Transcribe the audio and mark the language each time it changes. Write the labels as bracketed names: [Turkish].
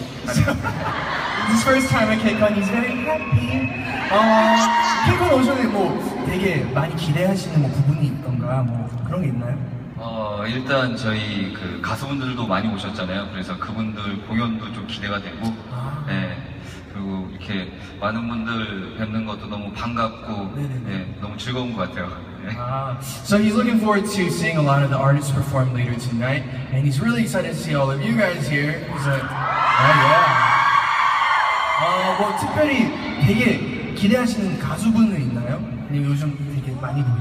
[English] This first time at Kcon, he's very happy. [Korean] Kcon 오셨는데 뭐 되게 많이 기대하시는 뭐 부분이 있던가 뭐 그런 게 있나요? 일단 저희 그 가수분들도 많이 오셨잖아요. 그래서 그분들 공연도 좀 기대가 되고, 예. 네, 그리고 이렇게 많은 분들 뵙는 것도 너무 반갑고, 네, 너무 즐거운 것 같아요. [English] So he's looking forward to seeing a lot of the artists perform later tonight, and he's really excited to see all of you guys here. He's like, oh yeah. [Korean] 뭐 특별히 되게 기대하시는 가수분은 있나요? 아니면 요즘 되게 많이 보시는?